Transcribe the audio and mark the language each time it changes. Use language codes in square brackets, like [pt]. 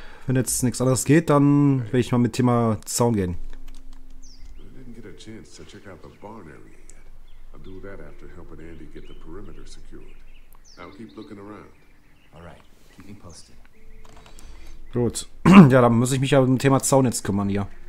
[de] Wenn jetzt nichts anderes geht, dann will ich mal mit Thema Zaun gehen. [en] I didn't get a chance to check out the barn area yet. I'll do that after helping Andy get the perimeter secured. I'll keep looking around. Alright, keep me posted. [de] Gut. Ja, dann muss ich mich ja um Thema Zaun jetzt kümmern hier.